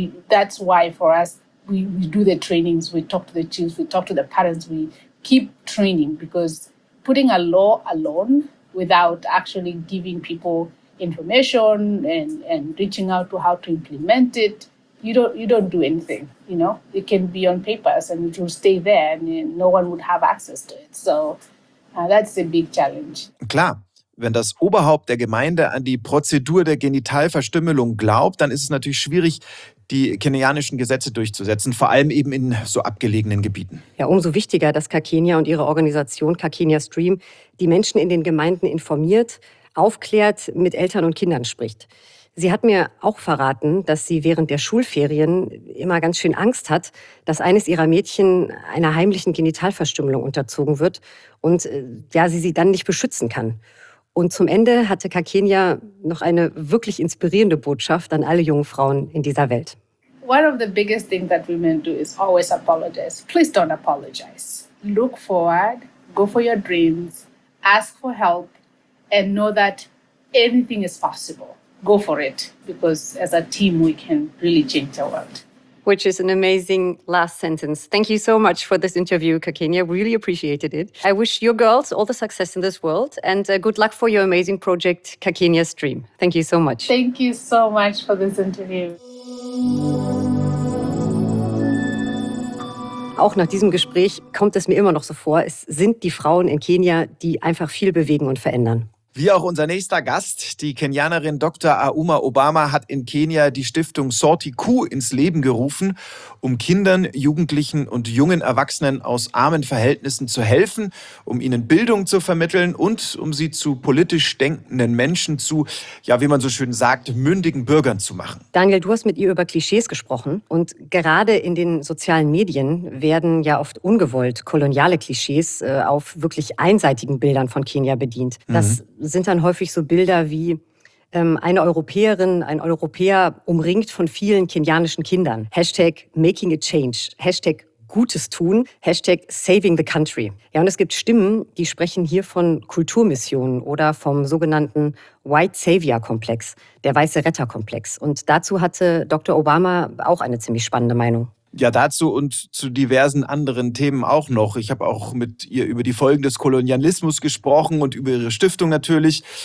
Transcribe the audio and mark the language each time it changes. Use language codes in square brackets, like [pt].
[en] That's why for us, we do the trainings, we talk to the chiefs, we talk to the parents, we keep training, because putting a law alone without actually giving people information and reaching out to how to implement it, you don't do anything, you know? It can be on papers and it will stay there and no one would have access to it. So that's a big challenge. [de] Klar. Wenn das Oberhaupt der Gemeinde an die Prozedur der Genitalverstümmelung glaubt, dann ist es natürlich schwierig, die kenianischen Gesetze durchzusetzen, vor allem eben in so abgelegenen Gebieten. Ja, umso wichtiger, dass Kakenia und ihre Organisation Kakenia Stream die Menschen in den Gemeinden informiert, aufklärt, mit Eltern und Kindern spricht. Sie hat mir auch verraten, dass sie während der Schulferien immer ganz schön Angst hat, dass eines ihrer Mädchen einer heimlichen Genitalverstümmelung unterzogen wird und ja, sie dann nicht beschützen kann. Und zum Ende hatte Kakenia noch eine wirklich inspirierende Botschaft an alle jungen Frauen in dieser Welt. [en] One of the biggest things that women do is always apologize. Please don't apologize. Look forward, go for your dreams, ask for help and know that anything is possible. Go for it, because as a team we can really change the world. Which is an amazing last sentence. Thank you so much for this interview, Kakenia. Really appreciated it. I wish your girls all the success in this world and good luck for your amazing project, Kakenia Stream. Thank you so much. Thank you so much for this interview. [de] Auch nach diesem Gespräch kommt es mir immer noch so vor, es sind die Frauen in Kenia, die einfach viel bewegen und verändern. Wie auch unser nächster Gast, die Kenianerin Dr. Auma Obama, hat in Kenia die Stiftung Sorti-Ku ins Leben gerufen, um Kindern, Jugendlichen und jungen Erwachsenen aus armen Verhältnissen zu helfen, um ihnen Bildung zu vermitteln und um sie zu politisch denkenden Menschen zu, ja, wie man so schön sagt, mündigen Bürgern zu machen. Daniel, du hast mit ihr über Klischees gesprochen und gerade in den sozialen Medien werden ja oft ungewollt koloniale Klischees auf wirklich einseitigen Bildern von Kenia bedient. Das sind dann häufig so Bilder wie eine Europäerin, ein Europäer umringt von vielen kenianischen Kindern. Hashtag [en] making a change, [de] Hashtag Gutes tun, Hashtag [en] saving the country. [de] Ja, und es gibt Stimmen, die sprechen hier von Kulturmissionen oder vom sogenannten White Savior Komplex, der weiße Retter Komplex. Und dazu hatte Dr. Obama auch eine ziemlich spannende Meinung. Ja, dazu und zu diversen anderen Themen auch noch. Ich habe auch mit ihr über die Folgen des Kolonialismus gesprochen und über ihre Stiftung natürlich.